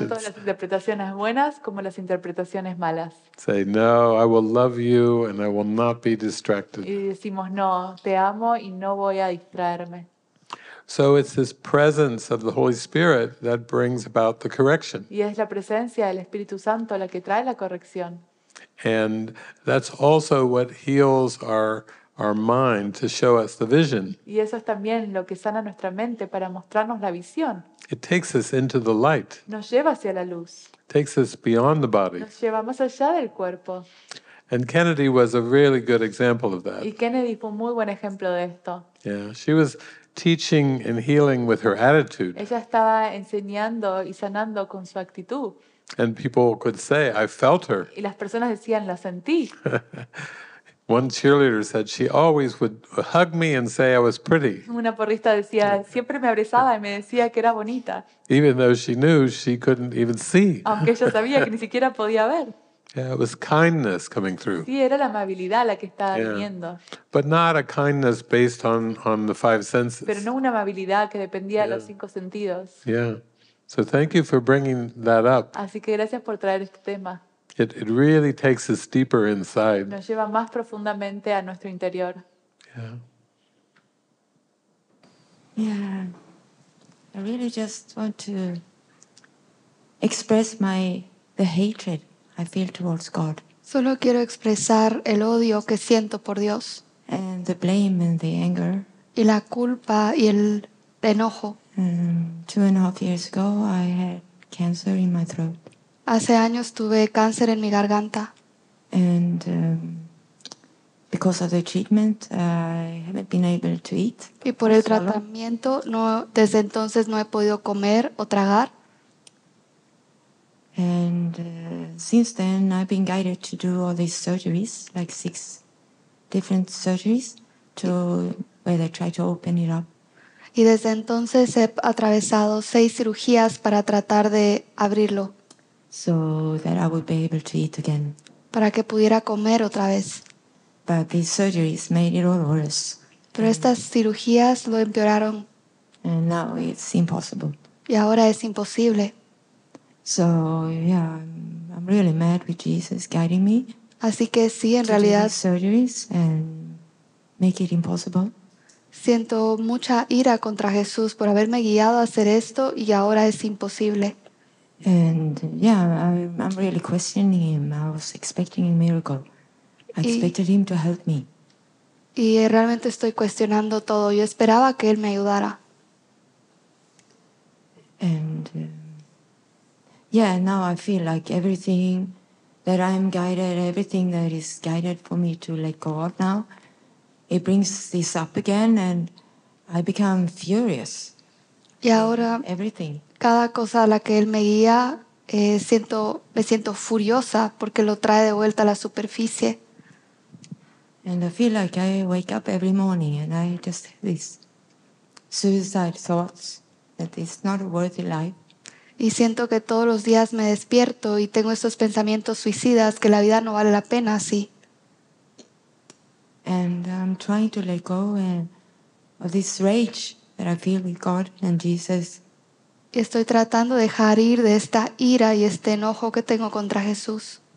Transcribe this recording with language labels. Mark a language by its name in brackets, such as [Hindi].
[Spanish] Tanto las interpretaciones buenas como las interpretaciones malas. [English] Say no, I will love you and I will not be distracted. [Spanish] Y decimos no, te amo y no voy a distraerme. [English] So it's this presence of the Holy Spirit that brings about the correction. [Spanish] Y es la presencia del Espíritu Santo la que trae la corrección. [English] And that's also what heals our mind to show us the vision. [Spanish] Y eso es también lo que sana nuestra mente para mostrarnos la visión. [English] It takes us into the light. [Spanish] Nos lleva hacia la luz. [English] It takes us beyond the body. [Spanish] Nos lleva más allá del cuerpo. [English] And Kennedy was a really good example of that. [Spanish] Y Kennedy fue un muy buen ejemplo de esto. [English] Yeah, she was teaching and healing with her attitude. [Spanish] Ella estaba enseñando y sanando con su actitud. [English] And people could say, I felt her. [Spanish] Y las personas decían, la sentí. [English] One cheerleader said she always would hug me and say I was pretty. [Spanish] Una porrista decía, siempre me abrazaba y me decía que era bonita. [English] Even though she knew she couldn't even see. [Spanish] Aunque ella sabía que ni siquiera podía ver. [English] Yeah, it was kindness coming through. [Spanish] Sí, era la amabilidad la que estaba viniendo. [English] But not a kindness based on the five senses. [Spanish] Pero no una amabilidad que dependía de los cinco sentidos. [English] Yeah. So thank you for bringing that up. [Spanish] Así que gracias por traer este tema. [English] It really takes us deeper inside. [Spanish] Nos lleva más profundamente a nuestro interior. [English] Yeah. I really just want to express the hatred I feel towards God. [Spanish] Solo quiero expresar el odio que siento por Dios. [English] And the blame and the anger. [Spanish] Y la culpa y el enojo. [English] Two and a half years ago, I had cancer in my throat. [Spanish] Hace años tuve cáncer en mi garganta. [English] And because of the treatment, I haven't been able to eat. [Spanish] Y por el tratamiento, desde entonces no he podido comer o tragar. [English] And since then, I've been guided to do all these surgeries, like 6 different surgeries, where they try to open it up. [Spanish] Y desde entonces he atravesado 6 cirugías para tratar de abrirlo. [English] So that I would be able to eat again. [Spanish] Para que pudiera comer otra vez. [English] But these surgeries made it all worse. [Spanish] Pero estas cirugías lo empeoraron. [English] And now it's impossible. [Spanish] Y ahora es imposible. [English] So, yeah, I'm really mad with Jesus guiding me. [Spanish] Así que sí, en realidad. [English] To do these surgeries and make it impossible. [Spanish] Siento mucha ira contra Jesús por haberme guiado a hacer esto y ahora es imposible. [English] And yeah, I'm really questioning him. I was expecting a miracle. I expected him to help me. [Spanish] Y realmente estoy cuestionando todo. Yo esperaba que él me ayudara. [English] And yeah, now I feel like everything that I'm guided, everything that is guided for me to let go of now, it brings this up again and I become furious. [Spanish] Y ahora, [English] everything. [Spanish] Cada cosa a la que él me guía, me siento furiosa porque lo trae de vuelta a la superficie. [English] And I feel like I wake up every morning and I just have these suicide thoughts that it's not a worthy life. [Spanish] Y siento que todos los días me despierto y tengo estos pensamientos suicidas que la vida no vale la pena así. [English] And I'm trying to let go of this rage that I feel with God and Jesus. [Spanish] Y estoy tratando de dejar ir de esta ira y este enojo que tengo contra Jesús.